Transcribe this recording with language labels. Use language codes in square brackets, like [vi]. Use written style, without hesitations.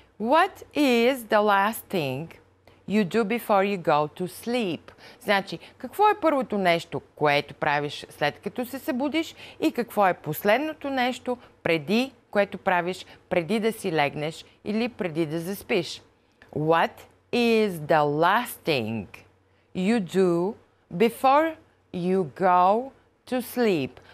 [en] What is the last thing you do before you go to sleep? [bg] Значи, какво е първото нещо, което правиш след като се събудиш и какво е последното нещо, преди, което правиш преди да си легнеш или преди да заспиш? [en] What is the last thing you do before you go to sleep?